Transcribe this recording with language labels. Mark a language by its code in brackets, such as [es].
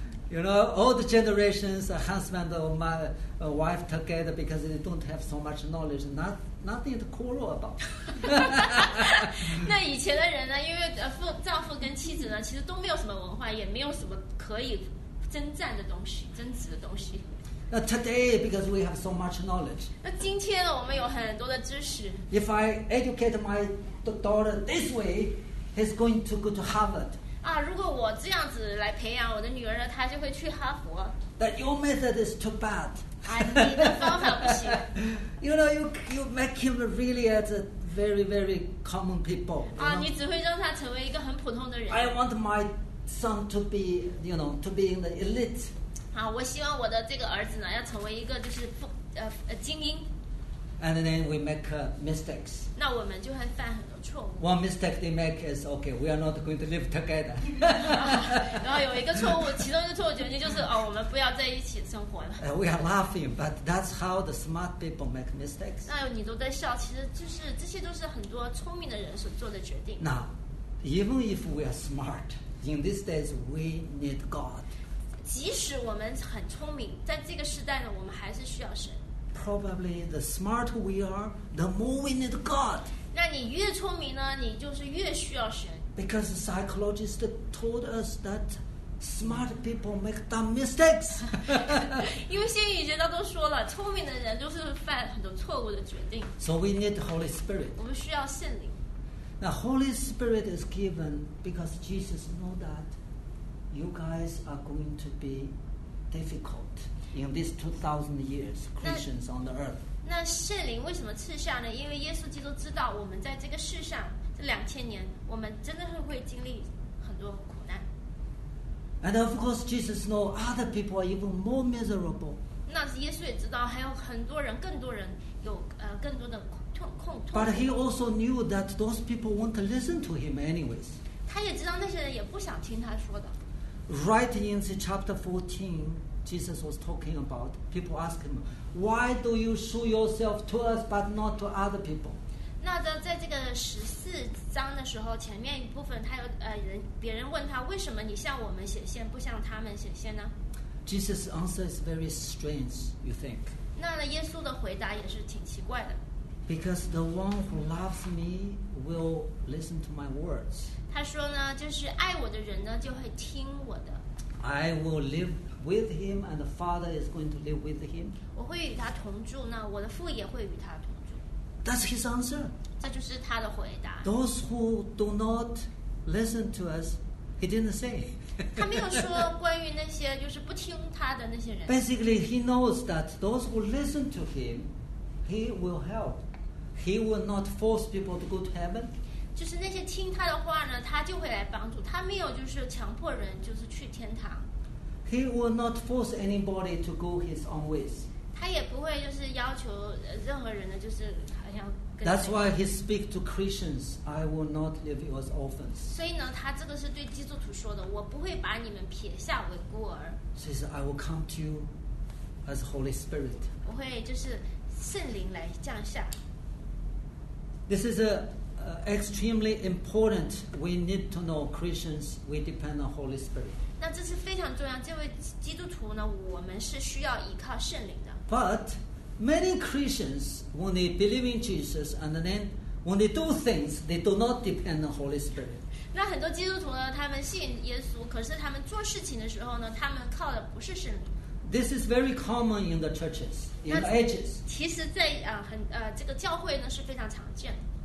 [en] You know, all the generations, husband or my wife together because they don't have so much knowledge, nothing to quarrel about. [zh] 那以前的人呢，因为丈夫跟妻子呢，其实都没有什么文化，也没有什么可以征战的东西，争执的东西。 [en] Now today, because we have so much knowledge. [zh] 那今天我们有很多的知识。 [en] If I educate my daughter this way, he's going to go to Harvard. [zh] 啊，如果我这样子来培养我的女儿呢，她就会去哈佛。 [en] That your method is too bad. [zh] 你的方法不行。 [en] You know, you make him really as a very very common people. [zh] 你只会让他成为一个很普通的人。 [en] I want my son to be, you know, to be in the elite. [zh] 好，我希望我的这个儿子呢，要成为一个就是精英。 [en] And then we make mistakes. [zh] 那我们就会犯很多错误。 [en] One mistake they make is okay, we are not going to live together. [zh] 然后有一个错误，其中一个错误决定就是我们不要在一起生活了。 [en] We are laughing, but that's how the smart people make mistakes. [zh] 那你都在笑，其实就是这些都是很多聪明的人所做的决定。 [en] Now, even if we are smart, in these days we need God. [zh] 即使我们很聪明，在这个时代呢，我们还是需要神。 [en] Probably the smarter we are, the more we need God. [zh] 那你越聪明呢，你就是越需要神。 [en] Because the psychologist told us that smart people make dumb mistakes. [zh] 因为心理学家都说了，聪明的人就是犯很多错误的决定。 [en] So we need the Holy Spirit. [zh] 我们需要圣灵。 [en] Now Holy Spirit is given because Jesus knows that.You guys are going to be difficult. in these 2,000 years Christians on the earth. [zh] 那圣灵为什么赐下呢？因为耶稣基督知道我们在这个世上这两千年，我们真的是会经历很多苦难。 [en] And of course, Jesus knows other people are even more miserable. [zh] 那耶稣也知道还有很多人，更多人有更多的痛。 [en] But he also knew that those people won't listen to him anyways. [zh] 他也知道那些人也不想听他说的。 [en] Right in chapter 14, Jesus was talking about people asking him, "Why do you show yourself to us but not to other people?" [zh] 那在这个十四章的时候，前面一部分他有别人问他，为什么你向我们显现，不向他们显现呢？ [en] Jesus' answer is very strange, you think? [zh] 那耶稣的回答也是挺奇怪的。 [en] Because the one who loves me will listen to my words. [zh] 他说呢，就是爱我的人呢，就会听我的。 [en] I will live with him, and the Father is going to live with him. [zh] 我会与他同住，那我的父也会与他同住。 [en] That's his answer. [zh] 这就是他的回答。 [en] Those who do not listen to us, he didn't say. [zh] 他没有说关于那些就是不听他的那些人。 [en] Basically, he knows that those who listen to him, he will help. He will not force people to go to heaven. [zh] 就是那些听他的话呢，他就会来帮助他，没有就是强迫人就是去天堂。 [en] He will not force anybody to go his own ways. [zh] 他也不会就是要求任何人呢，就是好像跟。 [en] That's why he speaks to Christians. I will not leave you as orphans. [zh] 所以呢，他这个是对基督徒说的，我不会把你们撇下为孤儿。 [en] So he says, I will come to you as Holy Spirit. [zh] 我会就是圣灵来降下。 [en] This is extremely important. We need to know Christians. We depend on Holy Spirit. [zh] 那这是非常重要。这位基督徒呢，我们是需要依靠圣灵的。 [en] But many Christians, when they believe in Jesus, and then when they do things, they do not depend on Holy Spirit. [zh] 那很多基督徒呢，他们信耶稣，可是他们做事情的时候呢，他们靠的不是圣灵。 [en] This is very common in the churches in the ages. [zh] 其实在这个教会呢是非常常见的。